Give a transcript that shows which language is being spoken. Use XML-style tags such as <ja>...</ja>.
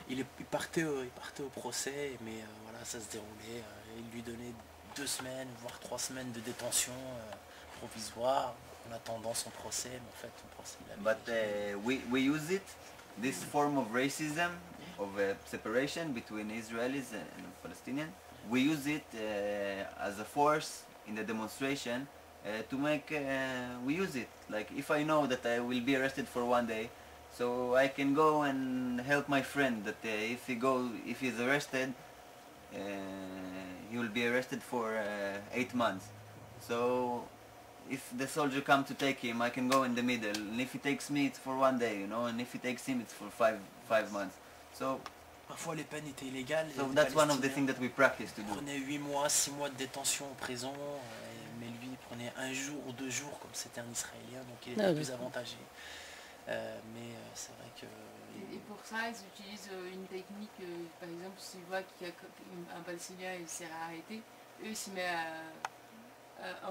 <fr>Il partait au procès, mais voilà, ça se déroulait. Il lui donnait 2 semaines, voire 3 semaines de détention. Provisoire en attendant son procès, mais en fait son procès il a</fr> <en>but we use it, this form of racism, of separation between Israelis and Palestinians, we use it as a force in the demonstration to make we use it, like if I know that I will be arrested for 1 day, so I can go and help my friend that if he's arrested, he will be arrested for 8 months, so if the soldier come to take him, I can go in the middle, and if he takes me, it's for 1 day, you know, and if he takes him, it's for five months. So</en> <fr>parfois les peines étaient illégales.</fr> <en>So that's one of the things that we practice to do.</en> <fr>Prenait 8 mois, 6 mois de détention en prison, mais lui il prenait 1 jour ou 2 jours, comme c'était un Israélien, donc il était plus avantagé. Mais c'est vrai que... Et pour ça, ils utilisent une technique, par exemple, s'ils voient qu'il y a un Palestinien et il s'est arrêté, eux, ils s'y mettent à...</fr>